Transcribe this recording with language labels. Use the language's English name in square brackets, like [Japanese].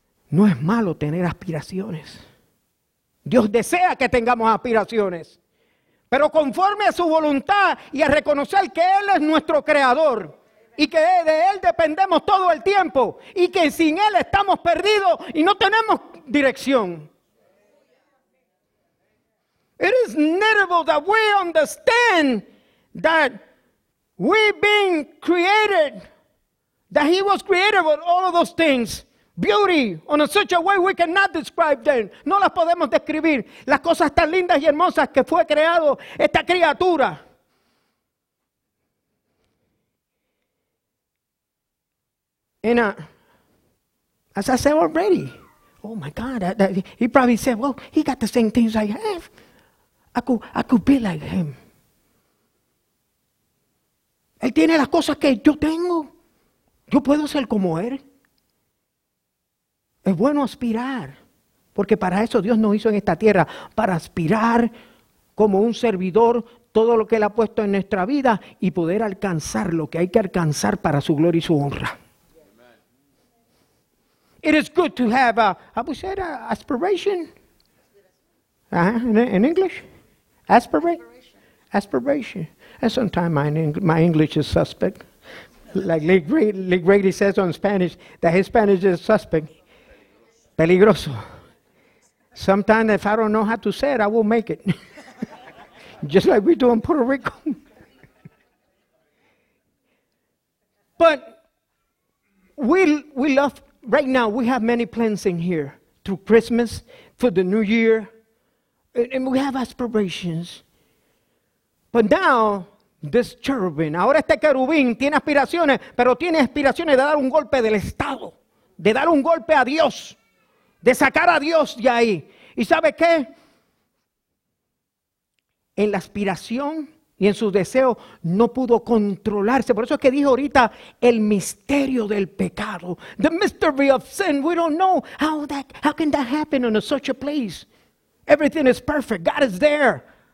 [Spanish] No es malo tener aspiraciones. Dios desea que tengamos aspiraciones. Pero conforme a su voluntad y a reconocer que Él es nuestro creador. Y que de Él dependemos todo el tiempo. Y que sin Él estamos perdidos y no tenemos dirección. [English] It is notable that we understand that we've been created, that he was created with all of those things. Beauty, on a such a way we cannot describe them. [Spanish] No las podemos describir. Las cosas tan lindas y hermosas que fue creado esta criatura. [English] And as I said already, oh my God, he probably said, well, he got the same things I have. I could be like him. [Spanish] Él tiene las cosas que yo tengo. Yo puedo ser como Él. Es bueno aspirar. Porque para eso Dios nos hizo en esta tierra. Para aspirar como un servidor todo lo que Él ha puesto en nuestra vida. Y poder alcanzar lo que hay que alcanzar para su gloria y su honra. [English] It is good to have aspiration. In English? Aspiration. And sometimes my English is suspect. Like Lee Grady says on Spanish, that his Spanish is suspect. Peligroso. Sometimes if I don't know how to say it, I will make it. Just like we do in Puerto Rico. But we love, right now we have many plans in here. Through Christmas, for the new year. And we have aspirations. But now, this cherubim, [Spanish] ahora este querubín tiene aspiraciones, pero tiene aspiraciones de dar un golpe del Estado, de dar un golpe a Dios, de sacar a Dios de ahí. ¿Y sabe qué? En la aspiración y en su deseo no pudo controlarse. Por eso es que dijo ahorita el misterio del pecado. [English] The mystery of sin, we don't know how can that happen in such a place. Everything is perfect, God is there.